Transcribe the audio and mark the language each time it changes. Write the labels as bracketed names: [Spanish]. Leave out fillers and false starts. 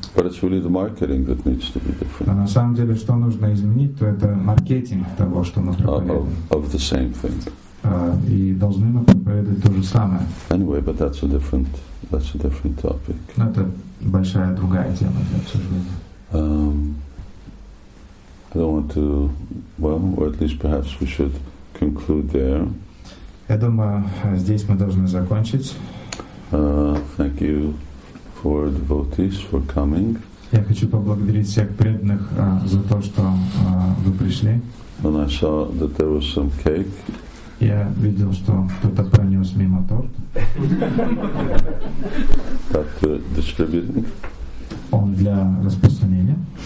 [English] But it's really the marketing that needs to be different. [Russian] А на самом деле, что нужно изменить, то это маркетинг того, что мы проповедуем. [English] Of the same thing. [Russian] И должны мы проповедовать то же самое. [English] Anyway, but that's a different topic. [Russian] Но это большая другая тема для обсуждения. [English] I don't want to, well, or at least perhaps we should conclude there. [Russian] Я думаю, здесь мы должны закончить. [English] Thank you for devotees for coming. [Russian] Я хочу поблагодарить всех преданных за то, что вы пришли. [English] When I saw that there was some cake. [Russian] Я видел, что кто-то пронес мимо торт. [English] That for distributing? [Russian] Он для распространения.